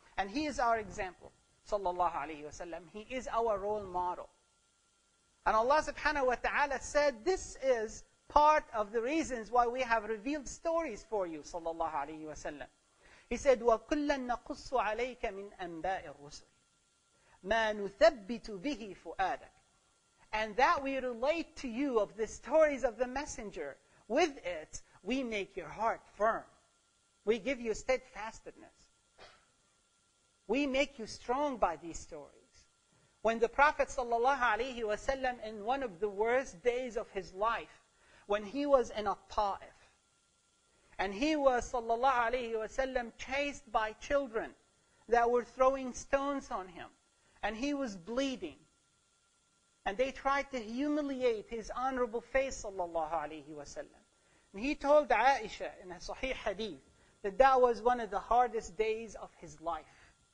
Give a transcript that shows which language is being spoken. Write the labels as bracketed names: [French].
[English] And he is our example, sallallahu alaihi wasallam. He is our role model. And Allah subhanahu wa ta'ala said, this is part of the reasons why we have revealed stories for you, sallallahu alayhi wa sallam. [Arabic] He said, وَكُلَّا نَقُصُّ عَلَيْكَ مِنْ أَنْبَاءِ الرُّسُلِ مَا نُثَبِّتُ بِهِ فُؤَادَكَ. [English] And that we relate to you of the stories of the messenger, with it, we make your heart firm. We give you steadfastness. We make you strong by these stories. When the Prophet sallallahu alaihi wasallam, in one of the worst days of his life, when he was in a Ta'if, and he was sallallahu alaihi wasallam chased by children that were throwing stones on him, and he was bleeding, and they tried to humiliate his honorable face sallallahu alaihi wasallam, and he told Aisha in a Sahih hadith that was one of the hardest days of his life.